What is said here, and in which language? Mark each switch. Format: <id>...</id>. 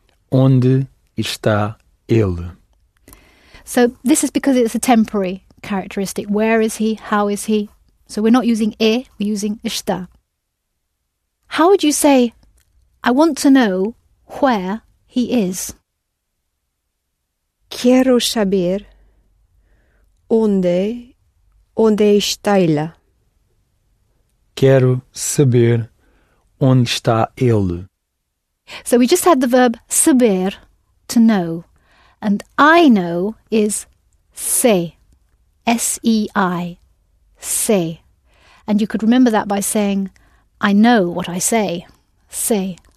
<pt>Onde está ele?</pt> <en>So, this is because it's a temporary characteristic. Where is he? How is he? So, we're not using e, we're using está. How would you say, I want to know where he is?</en> <pt>Quero saber onde está ele. Quero saber onde está ele.</pt> <en>So we just had the verb saber, to know. And I know is sei, S-E-I, sei. And you could remember that by saying, I know what I say, sei.</en>